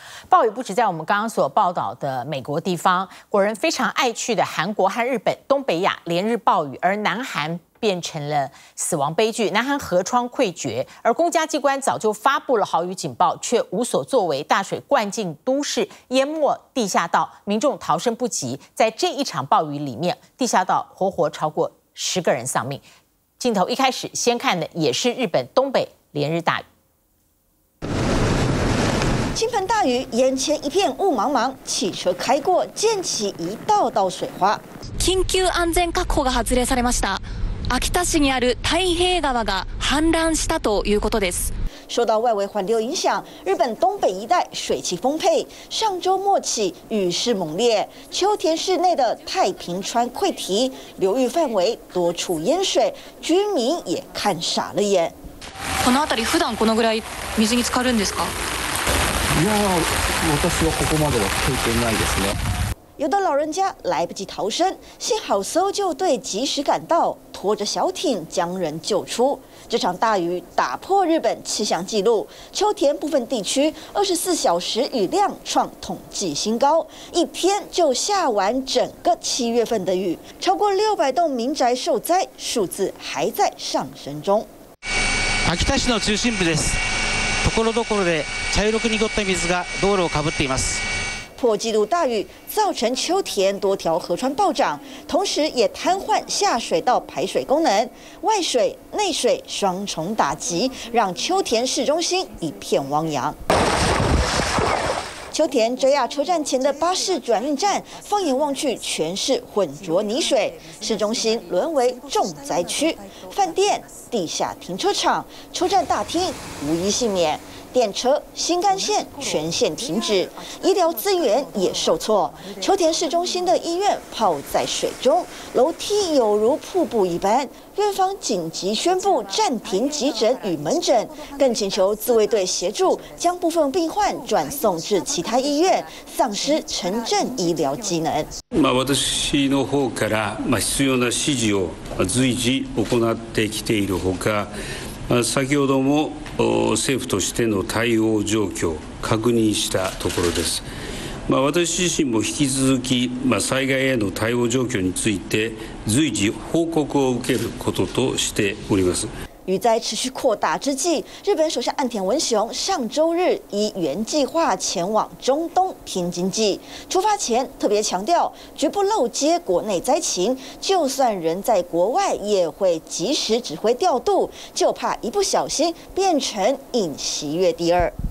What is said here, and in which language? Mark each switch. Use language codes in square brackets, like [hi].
[zh] 暴雨不止在我们刚刚所报道的美国地方，国人非常爱去的韩国和日本，东北亚连日暴雨，而南韩变成了死亡悲剧，南韩河川溃决，而公家机关早就发布了豪雨警报，却无所作为，大水灌进都市，淹没地下道，民众逃生不及，在这一场暴雨里面，地下道活活超过10个人丧命。镜头一开始先看的也是日本东北连日大雨。倾盆大雨，眼前一片雾茫茫，汽车开过溅起一道道水花。 [ja] 緊急安全確保が発令されました。秋田市にある太平川が氾濫したということです。 [zh] 受到外围环流影响，日本东北一带水气丰沛，上周末起雨势猛烈，秋田市内的太平川溃堤，流域范围多处淹水，居民也看傻了眼。 [ja] この辺り普段このぐらい水に浸かるんですか？いや、私はここまでは経験ないですね。 [zh] 有的老人家来不及逃生，幸好搜救队及时赶到，拖着小艇将人救出。这场大雨打破日本气象记录，秋田部分地区24小时雨量创统计新高，一天就下完整个七月份的雨，超过600栋民宅受灾，数字还在上升中。 [ja] 秋田市の中心部です。ところどころで茶色く濁った水が道路をかぶっています。 [zh] 破纪录大雨造成秋田多条河川暴涨，同时也瘫痪下水道排水功能，外水内水双重打击，让秋田市中心一片汪洋。秋田遮亚车站前的巴士转运站，放眼望去全是混浊泥水，市中心沦为重灾区，饭店、地下停车场、车站大厅无一幸免。电车、新干线全线停止，医疗资源也受挫。秋田市中心的医院泡在水中，楼梯有如瀑布一般。院方紧急宣布暂停急诊与门诊，更请求自卫队协助将部分病患转送至其他医院，丧失城镇医疗机能。 [ja] 私の方から必要な指示を随時行ってきているほか、先ほども政府としての対応状況確認したところです。私自身も引き続き災害への対応状況について随時報告を受けることとしております。 [zh] 雨灾持续扩大之际，日本首相岸田文雄上周日依原计划前往中东拼经济，出发前特别强调绝不漏接国内灾情，就算人在国外也会及时指挥调度，就怕一不小心变成隐形月第二。